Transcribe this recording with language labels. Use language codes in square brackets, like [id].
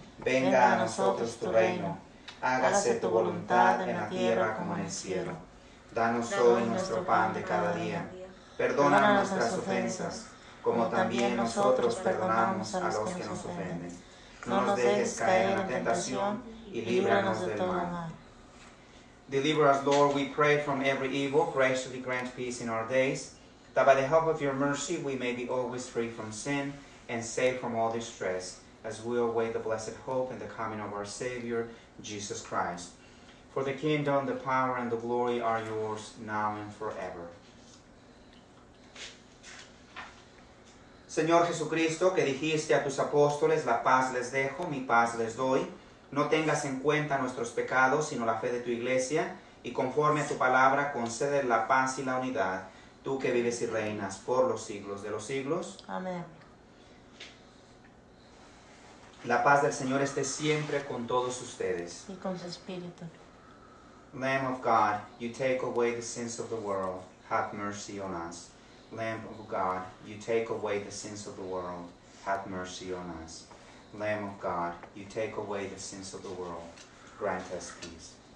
[es] Venga a nosotros tu reino. Hágase tu voluntad en la tierra como en el cielo. Danos hoy nuestro pan de cada día. Perdona nuestras ofensas, como también nosotros perdonamos a los que nos ofenden. No nos dejes caer en la tentación y líbranos del mal. [en] Deliver us, Lord, we pray, from every evil. Graciously grant peace in our days, that by the help of your mercy we may be always free from sin and safe from all distress, as we await the blessed hope and the coming of our Savior, Jesus Christ. For the kingdom, the power, and the glory are yours, now and forever. [es] Señor Jesucristo, que dijiste a tus apóstoles, la paz les dejo, mi paz les doy, no tengas en cuenta nuestros pecados, sino la fe de tu iglesia, y conforme a tu palabra, concede la paz y la unidad, tú que vives y reinas por los siglos de los siglos. Amén. La paz del Señor esté siempre con todos ustedes. Y con su espíritu. [en] Lamb of God, you take away the sins of the world, have mercy on us. Lamb of God, you take away the sins of the world, have mercy on us. Lamb of God, you take away the sins of the world, grant us peace.